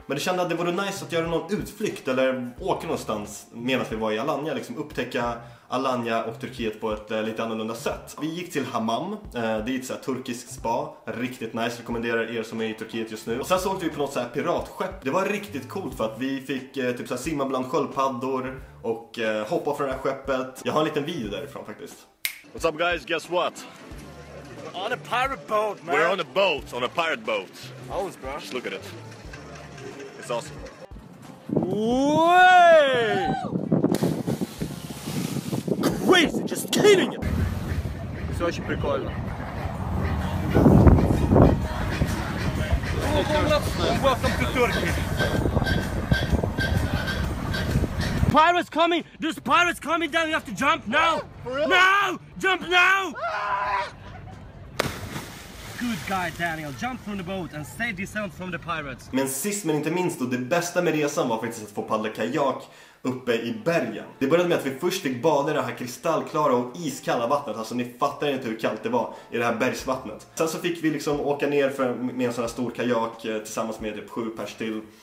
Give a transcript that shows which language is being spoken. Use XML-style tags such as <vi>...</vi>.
<sv>Men det kände att det vore nice att göra någon utflykt eller åka någonstans medan vi var i Alanya, liksom upptäcka Alanya och Turkiet på ett lite annorlunda sätt. Vi gick till hammam, det är ett så här turkiskt spa, riktigt nice, rekommenderar er som är i Turkiet just nu. Och sen så åkte vi på något så här piratskepp. Det var riktigt coolt för att vi fick typ så här simma bland sköldpaddor och hoppa från det här skeppet. Jag har en liten video därifrån faktiskt.</sv> <en>What's up guys, guess what? On a pirate boat, man. We're on a boat, on a pirate boat. Oh, it's bro. Just look at it. It's awesome. Way! Crazy, just kidding you! It's</en> <ru>очень прикольно.</ru> <en>Welcome to Turkey. Pirates coming! There's pirates coming down! You have to jump now! Really? Now! Jump now! Good guy Daniel, jump from the boat and save yourself from the pirates.</en> <sv>Men sist men inte minst då, det bästa med resan var faktiskt att få paddla kajak uppe i bergen. Det började med att vi först fick bada i det här kristallklara och iskalla vattnet. Alltså ni fattar inte hur kallt det var i det här bergsvattnet. Sen så fick vi liksom åka ner för, med en sån här stor kajak tillsammans med typ 7 pers till.</sv>